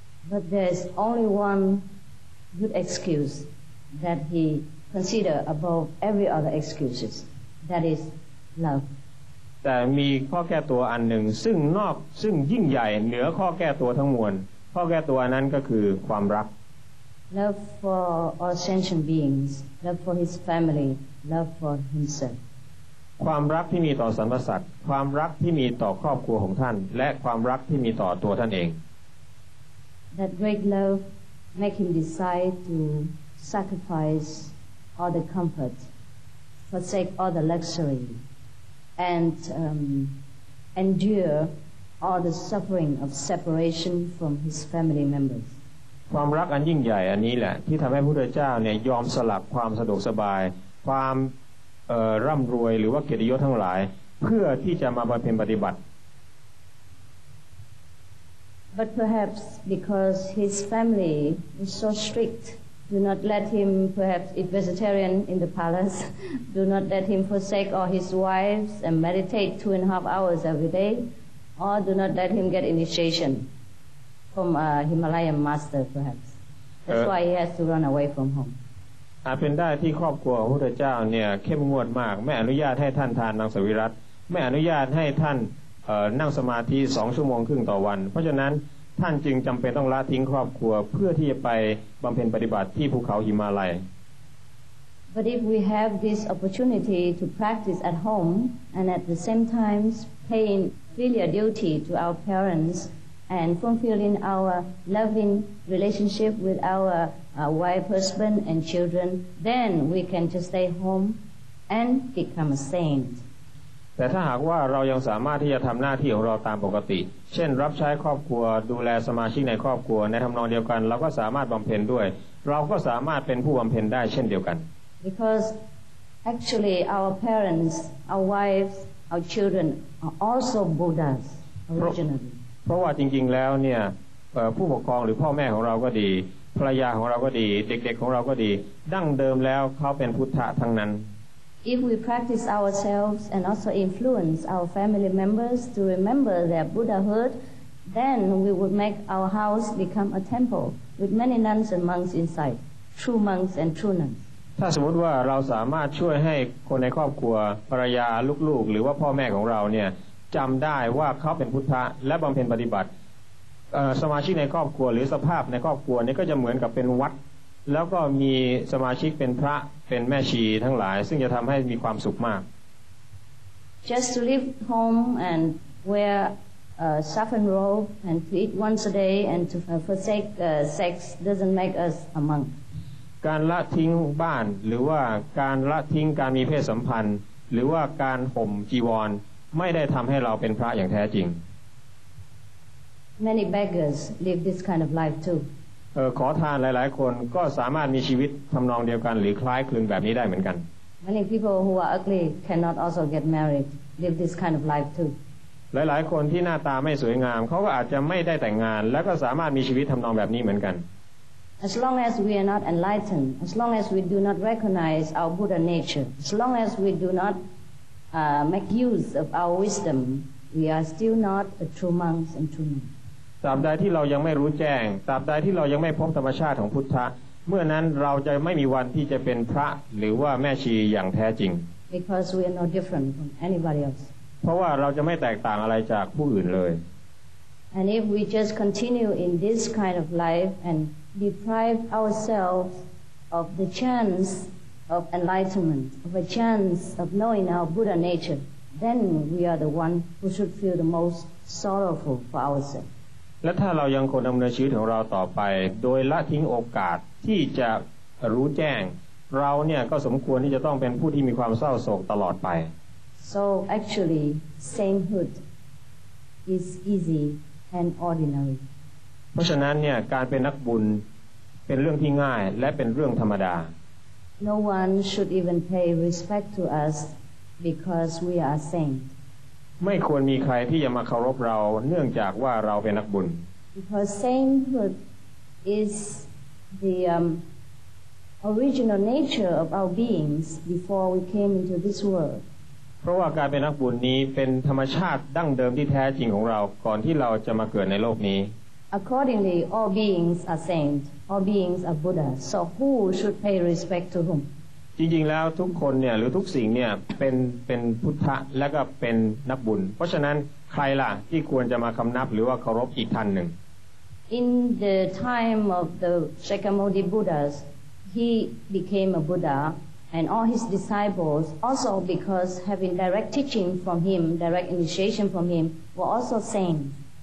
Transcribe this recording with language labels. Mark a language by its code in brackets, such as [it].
[en] But there's only one good excuse that he consider above every other excuses that is love [th] แต่มีข้อแก้ตัวอันหนึ่งซึ่งนอกซึ่งยิ่งใหญ่เหนือข้อแก้ตัวทั้งมวลข้อแก้ตัวนั้นก็คือความรัก [en] love for all sentient beings love for his family love for himself [th] ความรักที่มีต่อสรรพสัตว์ความรักที่มีต่อครอบครัวของท่านและความรักที่มีต่อตัวท่านเอง [en] that great love make him decide to sacrifice all the comfort forsake all the luxuryand endure all the suffering of separation from his family members [th] ความรักอันยิ่งใหญ่อันนี้แหละที่ทําให้พระพุทธเจ้าเนี่ยยอมสละความสะดวกสบายความร่ํารวยหรือว่าเกียรติยศทั้งหลายเพื่อที่จะมาบําเพ็ญปฏิบัติ [en] but perhaps because his family is so strictDo not let him, perhaps, eat vegetarian in the palace. Do not let him forsake all his wives and meditate 2.5 hours every day. Or do not let him get initiation from a Himalayan master, perhaps. That's why he has to run away from home. [th] อาจเป็นได้ที่ครอบครัวพระพุทธเจ้าเนี่ยเข้มงวดมากไม่อนุญาตให้ท่านทานมังสวิรัติไม่อนุญาตให้ท่านนั่งสมาธิ2 ชั่วโมงครึ่งต่อวันเพราะฉะนั้นท่านจึงจำเป็นต้องละทิ้งครอบครัวเพื่อที่จะไปบำเพ็ญปฏิบัติที่ภูเขาหิมาลัย [en] But if we have this opportunity to practice at home and at the same time paying filial duty to our parents and fulfilling our loving relationship with our wife, husband and children then we can just stay home and become a saint [th] แต่ถ้าหากว่าเรายังสามารถที่จะทำหน้าที่ของเราตามปกติเช่นรับใช้ครอบครัวดูแลสมาชิกในครอบครัวในทำนองเดียวกันเราก็สามารถบำเพ็ญด้วยเราก็สามารถเป็นผู้บำเพ็ญได้เช่นเดียวกัน [en] Because actually our parents, our wives, our children are also Buddhas originally [th] เพราะว่าจริงๆแล้วเนี่ยผู้ปกครองหรือพ่อแม่ของเราก็ดีภรรยาของเราก็ดีเด็กๆของเราก็ดีดั้งเดิมแล้วเขาเป็นพุทธะทั้งนั้น [en] If we practice ourselves and also influence our family members to remember their Buddhahood, then we would make our house become a temple with many nuns and monks inside, true monks and true nuns. [th] ถ้าสมมติว่าเราสามารถช่วยให้คนในครอบครัวภรรยาลูกๆหรือว่าพ่อแม่ของเราเนี่ยจำได้ว่าเขาเป็นพุทธะและบำเพ็ญปฏิบัติสมาชิกในครอบครัวหรือสภาพในครอบครัวนี่ก็จะเหมือนกับเป็นวัดแล้วก็มีสมาชิกเป็นพระเป็นแม่ชีทั้งหลายซึ่งจะทำให้มีความสุขมาก [en] Just to leave home and wear a saffron robe and to eat once a day and to forsake sex doesn't make us a monk [th] การละทิ้งบ้านหรือว่าการละทิ้งการมีเพศสัมพันธ์หรือว่าการห่มจีวรไม่ได้ทำให้เราเป็นพระอย่างแท้จริง [en] Many beggars live this kind of life too [th] ขอทานหลายๆคนก็สามารถมีชีวิตทำนองเดียวกันหรือคล้ายคลึงแบบนี้ได้เหมือนกัน [en] Many people who are ugly cannot also get married live this kind of life too [th] หลายๆคนที่หน้าตาไม่สวยงามเขาก็อาจจะไม่ได้แต่งงานแล้วก็สามารถมีชีวิตทำนองแบบนี้เหมือนกัน [en] As long as we are not enlightened as long as we do not recognize our Buddha nature as long as we do not make use of our wisdom we are still not a true monks and true nuns [th] ตราบใดที่เรายังไม่รู้แจ้งตราบใดที่เรายังไม่พบธรรมชาติของพุทธะเมื่อนั้นเราจะไม่มีวันที่จะเป็นพระหรือว่าแม่ชีอย่างแท้จริง [en] Because we are no different from anybody else [th] เพราะว่าเราจะไม่แตกต่างอะไรจากผู้อื่นเลย [en] And if we just continue in this kind of life and deprive ourselves of the chance of enlightenment of a chance of knowing our Buddha nature then we are the one who should feel the most sorrowful for ourselves [th] และถ้าเรายังคงดำเนินชีวิตของเราต่อไปโดยละทิ้งโอกาสที่จะรู้แจ้ง เราเนี่ยก็สมควรที่จะต้องเป็นผู้ที่มีความเศร้าโศกตลอดไป [en] So actually sainthood is easy and ordinary [th] เพราะฉะนั้นเนี่ยการเป็นนักบุญเป็นเรื่องที่ง่ายและเป็นเรื่องธรรมดา [en] No one should even pay respect to us because we are saint [th] ไม่ควรมีใครที่จะมาเคารพเราเนื่องจากว่าเราเป็นนักบุญ [en] Because sainthood is theoriginal nature of our beings before we came into this world [th] เพราะว่าการเป็นนักบุญนี้เป็นธรรมชาติดั้งเดิมที่แท้จริงของเราก่อนที่เราจะมาเกิดในโลกนี้ [en] Accordingly all beings are saints all beings are Buddha so who should pay respect to whom [th] จริงๆแล้วทุกคนเนี่ยหรือทุกสิ่งเนี่ยเป็นพุทธะและก็เป็นนักบุญเพราะฉะนั้นใครล่ะที่ควรจะมาคำนับหรือว่าเคารพอีกท่านหนึ่ง [en] In the time of the Shakyamuni BuddhasHe became a Buddha, and all his disciples, also because having direct teaching from him, direct initiation from him, were also saints.